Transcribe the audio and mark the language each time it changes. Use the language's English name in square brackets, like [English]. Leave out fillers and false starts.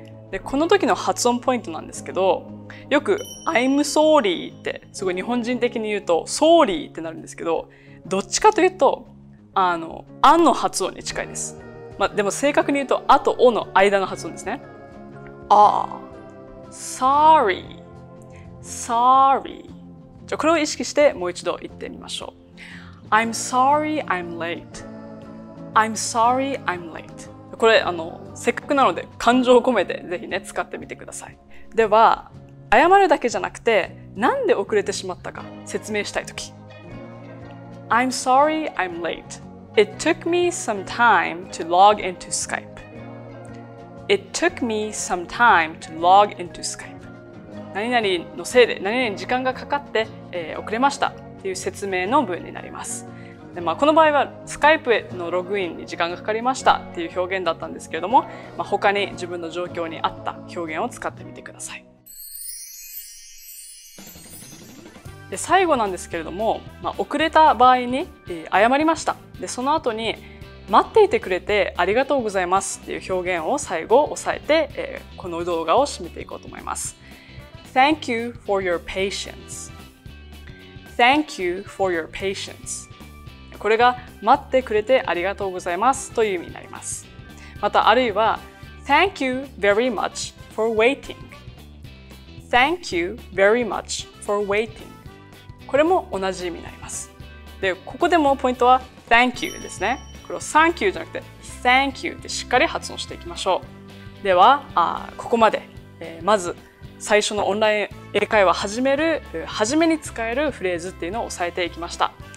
[Japanese] で、この時の発音ポイントなんですけど、よく [English] I'm sorry [Japanese] ってすごい日本人的に言うと sorry ってなるんですけど、どっちかというとあの発音に近いです。まあ、でも正確に言うと、あとおの間の発音ですね。 [English] ああ、sorry, sorry。 [Japanese] じゃこれを意識してもう一度言ってみましょう。 [English] I'm sorry I'm late. I'm sorry I'm late. [Japanese] これせっかくなので感情を込めてぜひね、使ってみてください。では、謝るだけじゃなくて、なんで遅れてしまったか説明したいとき。 [English] I'm sorry I'm late. It took me some time to log into Skype. It took me some time to log into Skype. [Japanese] 何々のせいで、何々に時間がかかって、遅れましたっていう説明の文になります。で、まあ、この場合は Skype のログインに時間がかかりましたっていう表現だったんですけれども、まあ、他に自分の状況に合った表現を使ってみてください。で最後なんですけれども、まあ、遅れた場合に、謝りました。でその後に待っていてくれてありがとうございますっていう表現を最後押さえて、この動画を締めていこうと思います。 [English] Thank you for your patience. Thank you for your patience. [Japanese] これが待ってくれてありがとうございますという意味になります。またあるいは [English] Thank you very much for waiting. Thank you very much for waiting. [Japanese] これも同じ意味になります。で、ここでもポイントは [English] Thank you [Japanese] ですね。これを [English] Thank you [Japanese] じゃなくて Thank you ってしっかり発音していきましょう。では、ここまで。まず最初のオンライン英会話始める初めに使えるフレーズっていうのを押さえていきました。